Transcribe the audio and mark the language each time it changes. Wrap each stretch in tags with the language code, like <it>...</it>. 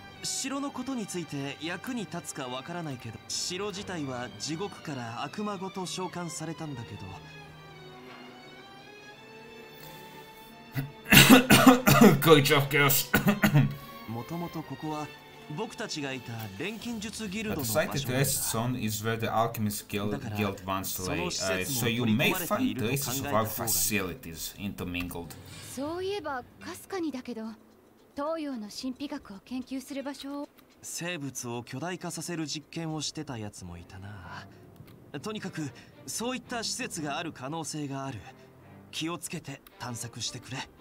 <ja>城のことについて役に立つかわからないけど、城自体は地獄から悪魔ごと召喚されたんだけど。</ja> <en>Creature of Chaos.</en> <ja>もともとここは僕たちがいた錬金術ギルドの場所だ。</ja> <en>The site Trace Zone is where the Alchemist Guild once lay. So you may find traces of our facilities intermingled.</en> <ja>そういえばかすかにだけど、東洋の神秘学を研究する場所を生物を巨大化させる実験をしてたやつもいたな。とにかくそういった施設がある可能性がある。気をつけて探索してくれ。</ja>